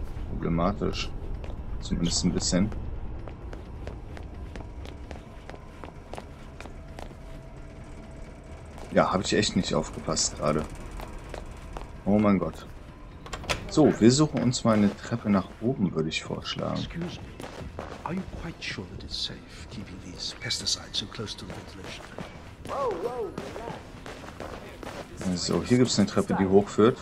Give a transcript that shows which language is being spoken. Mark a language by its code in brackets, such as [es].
[de] Problematisch. Zumindest ein bisschen. Ja, habe ich echt nicht aufgepasst gerade. Oh mein Gott. So, wir suchen uns mal eine Treppe nach oben, würde ich vorschlagen. [en] Excuse me. Are you quite sure that it's safe keeping these pesticides so close to the ventilation? [de] Also, hier gibt es eine Treppe, die hochführt.